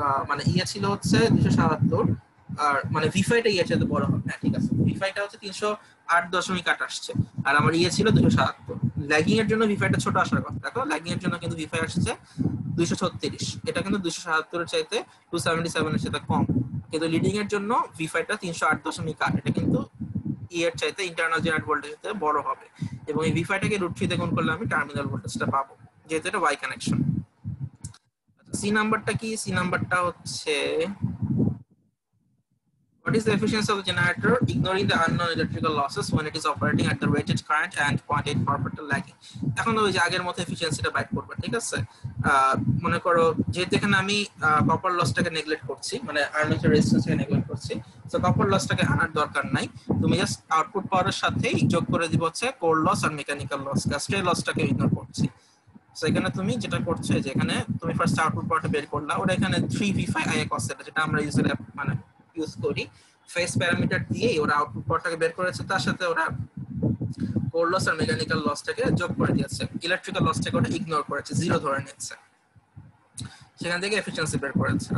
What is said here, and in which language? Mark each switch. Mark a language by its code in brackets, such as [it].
[bn] মানে ইয়ে ছিল হচ্ছে 277, আর মানে ভি ফাইটা ইয়ের চেয়ে বড় হবে, হ্যাঁ ঠিক আছে, ভি ফাইটা হচ্ছে 308.8 আসছে আর আমার ইয়ে ছিল 277, ল্যাগিং এর জন্য ভি ফাইটা ছোট আসার কথা, দেখো ল্যাগিং এর জন্য কিন্তু ভি ফাই আসছে 236, এটা কিন্তু 277 এর চাইতে 277 এর সাথে কম, কিন্তু লিডিং এর জন্য ভি ফাইটা 308.8, এটা কিন্তু ইয়ের চাইতে ইন্টারনাল জেনারেট ভোল্টেজ হতে বড় হবে, এবং এই ভি ফাইটাকে রুট থ্রিতে গুণ করলে আমি টার্মিনাল ভোল্টেজটা পাবো যেহেতু এটা ওয়াই কানেকশন। সি নাম্বারটা কি, সি নাম্বারটা হচ্ছে [en] what is the efficiency of the generator ignoring the unknown electrical losses when it is operating at the rated current and 0.8 power factor lagging, [bn] এখন ওই যে আগের মতো এফিসিয়েন্সিটা বাইট করবে, ঠিক আছে। মনে করো যে এখানে আমি কপার লসটাকে নেগলেক্ট করছি, মানে আর্মেচার রেজিস্ট্যান্সকে নেগলেক্ট করছি, সো কপার লসটাকে আনার দরকার নাই, তুমি জাস্ট আউটপুট পাওয়ারের সাথে যোগ করে দিব হচ্ছে কোর লস আর মেকানিক্যাল লস, কাস্টে লসটাকে ইগনোর করছি। সো এখানে তুমি যেটা করছো যে এখানে তুমি ফার্স্ট আউটপুট পাওয়ারটা বের করলা, ওটা এখানে 3V5 IA cos theta যেটা আমরা ইউজ করি, মানে ইউজ করি ফেস প্যারামিটার দিয়ে ওরা আউটপুট পাওয়ারটাকে বের করেছে, তার সাথে ওরা কোর লস আর মেকানিক্যাল লসটাকে যোগ করে দিয়েছে, ইলেকট্রিক্যাল লসটাকে ওটা ইগনোর করেছে, জিরো ধরে নিচ্ছে, সেখান থেকে এফিসিয়েন্সি বের করেছে।